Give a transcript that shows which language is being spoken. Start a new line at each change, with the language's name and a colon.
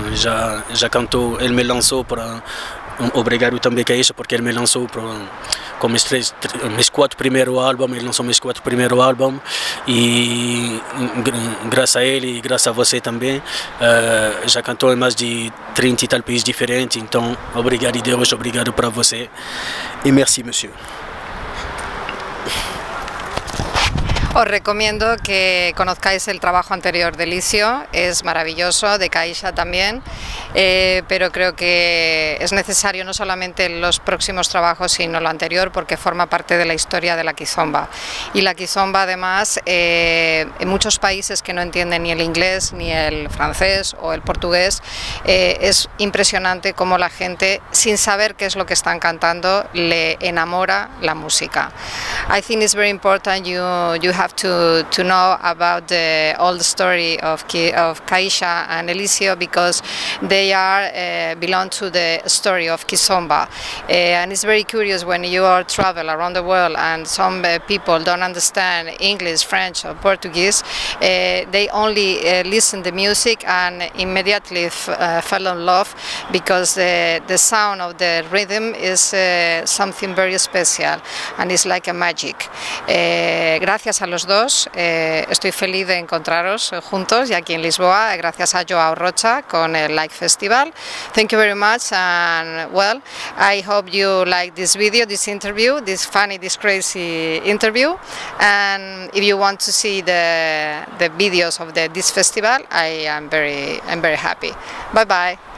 Portuguese: Já cantou, ele me lançou para. Obrigado também, KAYSHA, porque ele me lançou para com meus quatro primeiros álbuns, e graças a ele e graças a você também, já cantou em mais de 30 e tal países diferentes. Então, obrigado, Deus, obrigado para você e
French: merci, monsieur.
Spanish: Os recomiendo que conozcáis el trabajo anterior de Elizio, es maravilloso, de KAYSHA también, pero creo que es necesario no solamente los próximos trabajos, sino lo anterior, porque forma parte de la historia de la kizomba. Y la kizomba, además, en muchos países que no entienden ni el inglés, ni el francés o el portugués, es impresionante cómo la gente, sin saber qué es lo que están cantando, le enamora la música.
English: I think it's very important you have to know about the old story of KAYSHA and Elizio, because they are belong to the story of kizomba, and it's very curious when you are travel around the world and some people don't understand English, French or Portuguese, they only listen the music and immediately fell in love, because the sound of the rhythm is something very special and it's like a magic.
Spanish: Gracias a los dos, estoy feliz de encontraros juntos y aquí en Lisboa, gracias a Joao Rocha con el Like Festival.
English: Thank you very much, and well, I hope you like this video, this interview, this funny, this crazy interview. And if you want to see the videos of this festival, I'm very happy. Bye bye.